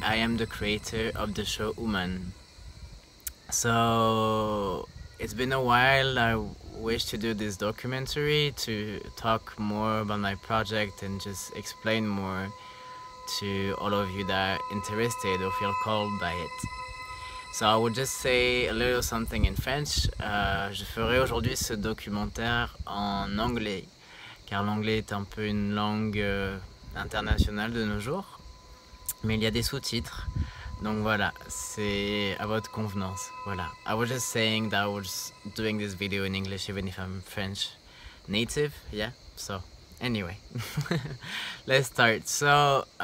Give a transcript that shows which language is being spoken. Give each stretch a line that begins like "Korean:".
English: I am the creator of the show ÛMAN. So it's been a while. I wish to do this documentary to talk more about my project and just explain more to all of you that are interested or feel called by it. So I will just say a little something in French.
French: Je ferai aujourd'hui ce documentaire en anglais, car l'anglais est un peu une langue internationale de nos jours. Mais il y a des sous-titres, donc voilà, c'est à votre convenance. Voilà.
English: I was just saying that I was doing this video in English, even if I'm French native. Yeah. So anyway, let's start. So.